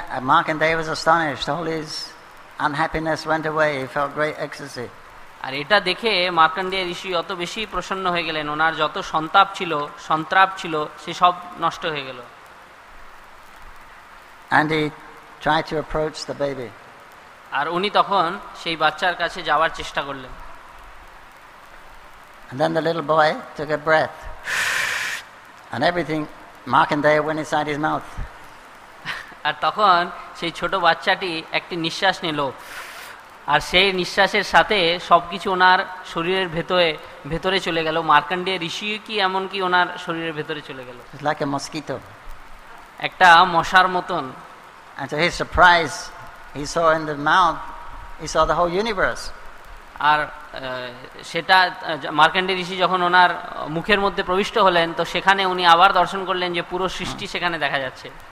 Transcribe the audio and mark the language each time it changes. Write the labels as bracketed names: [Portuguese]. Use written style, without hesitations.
[English] Markandeya was astonished. All his unhappiness went away. He felt great ecstasy. [Bangla] আর এটা দেখে মার্কণ্ডেয় ঋষি অত বেশি প্রসন্ন হয়ে গেলেন, ওনার যত সন্তাপ ছিল সন্ত্রাপ ছিল সে সব নষ্ট হয়ে গেল। [English] And he tried to approach the baby. [Bangla] আর উনি তখন সেই বাচ্চার কাছে যাওয়ার চেষ্টা করলেন। [English] And then the little boy took a breath. And everything Markandeya went inside his mouth. [Bangla] আর তখন সেই ছোট বাচ্চাটি একটি নিঃশ্বাস নিল আর সেই নিঃশ্বাসের সাথে সবকিছু ওনার শরীরের ভেতরে চলে গেল। মার্কণ্ডেয় ঋষি কি এমন কি ওনার শরীরের ভেতরে চলে গেল। [English] Like a mosquito. [Bangla] একটা মশার মতন। [English] And to his surprise, he saw in the mouth, he saw the whole universe. [Bangla] আর সেটা মার্কণ্ডেয় ঋষি যখন ওনার মুখের মধ্যে প্রবিষ্ট হলেন তো সেখানে উনি আবার দর্শন করলেন যে পুরো সৃষ্টি সেখানে দেখা যাচ্ছে।